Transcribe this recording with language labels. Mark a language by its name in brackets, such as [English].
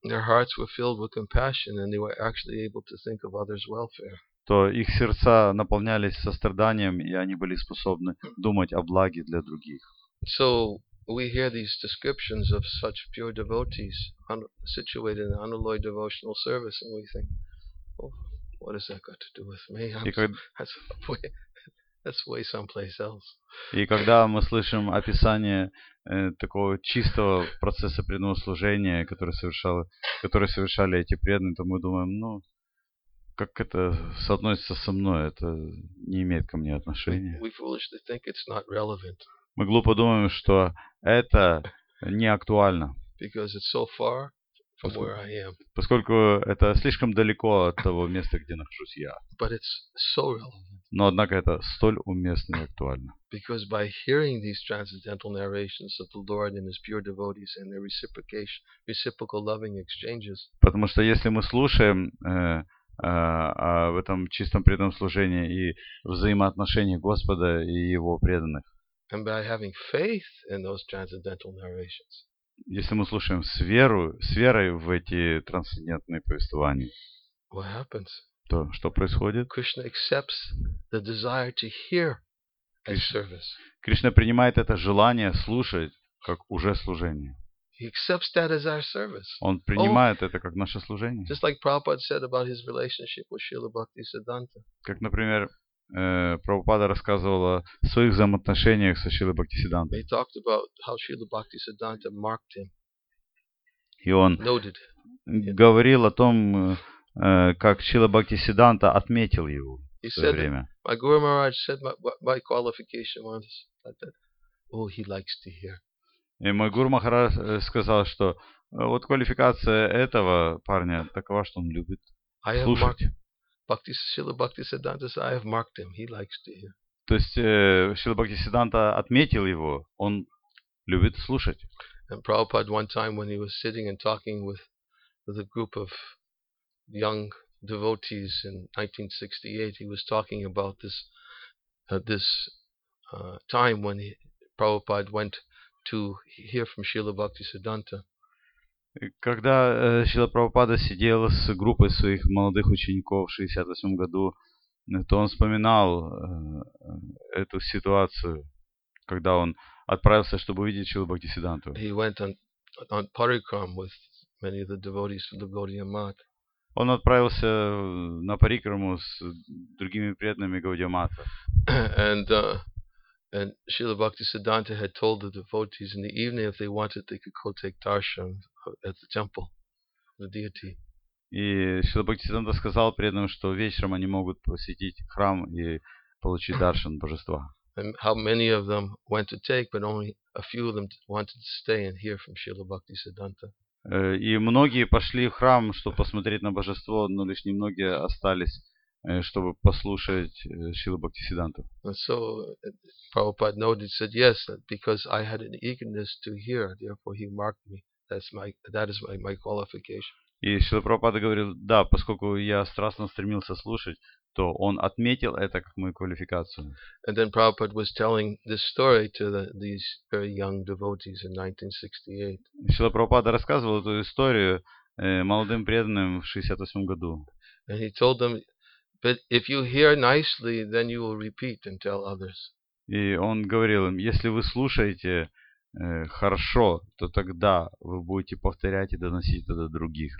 [English] Their hearts were filled with compassion and they were actually able to think of others' welfare. [Russian] То их сердца наполнялись состраданием, и они были способны думать о благе для других. [English] So we hear these descriptions of such pure devotees situated in unalloyed devotional service and we think, oh, what has that got to do with me? I'm, [Russian] когда... [English] that's, That's way someplace else. [Russian] И когда мы слышим описание такого чистого процесса преданного служения, который совершали эти преданные, то мы думаем, ну, как это соотносится со мной, это не имеет ко мне отношения. [English] We foolishly think it's not relevant. [Russian] Мы глупо думаем, что это не актуально. [English] Because it's so far from where I am. [Russian] Поскольку это слишком далеко от того места, где нахожусь я. [English] But it's so relevant. [Russian] Но однако это столь уместно и актуально. [English] Because by hearing these transcendental narrations of the Lord and his pure devotees and their reciprocal loving exchanges. [Russian] Потому что если мы слушаем в этом чистом преданном служении и взаимоотношении Господа и его преданных. [English] And by having faith in those transcendental narrations. [Russian] Если мы слушаем с верой в эти трансцендентные повествования, [English] what happens? [Russian] То что происходит? [English] Krishna accepts the desire to hear as service. [Russian] Кришна принимает это желание слушать как уже служение. [English] He accepts that as our service. [Russian] Он принимает это как наше служение. [English] Just like Prabhupada said about his relationship with Srila Bhaktisiddhanta. [Russian] Как, например, Прабхупада рассказывал о своих взаимоотношениях со Шрилой Бхактисиддхантой. [English] He talked about how Srila Bhaktisiddhanta marked him. [Russian] И он [English] noted. [Russian] Говорил о том, как Шрила Бхактисиддханта отметил его [English] he [Russian] в свое время. [English] My Guru Maharaj said my qualification once. I said, oh, he likes to hear. [Russian] И мой Гуру Махарадж сказал, что вот квалификация этого парня такова, что он любит слушать. То есть Шрила Бхактисиддханта отметил его, он любит слушать. [English] And Prabhupada one time when he was sitting and talking with a group of young devotees in 1968, he was talking about this time when Prabhupada went to hear from Srila Bhaktisiddhanta. [Russian] Когда Шрила Прабхупада сидел с группой своих молодых учеников в 68 году, то он вспоминал эту ситуацию, когда он отправился, чтобы увидеть Шрилу Бхактисиддханту. [English] He went on parikram with many of the devotees from the Gaudiya Math. [Russian] Он отправился на парикраму с другими преданными Гаудия Матха. [English] And Srila Bhaktisiddhanta had told the devotees in the evening if they wanted they could go take darshan at the temple, the deity. [Russian] И Шрила Бхактисиддханта сказал преданным, что вечером они могут посетить храм и получить даршан божества. [English] And how many of them went to take, but only a few of them wanted to stay and hear from Srila Bhaktisiddhanta. [Russian] И многие пошли в храм, чтобы посмотреть на божество, но лишь немногие остались, чтобы послушать Шрилу Бхактисиддханту. [English] So Prabhupada noted, said yes, because I had an eagerness to hear, therefore he marked me. That is my qualification. [Russian] И Шрила Прабхупада говорил, да, поскольку я страстно стремился слушать, то он отметил это как мою квалификацию. [English] And then Prabhupada was telling this story to these very young devotees in 1968. [Russian] Шрила Прабхупада рассказывал эту историю молодым преданным в 68 году. [English] And he told them, but if you hear nicely, then you will repeat and tell others. [Russian] И он говорил им, если вы слушаете хорошо, то тогда вы будете повторять и доносить это до других.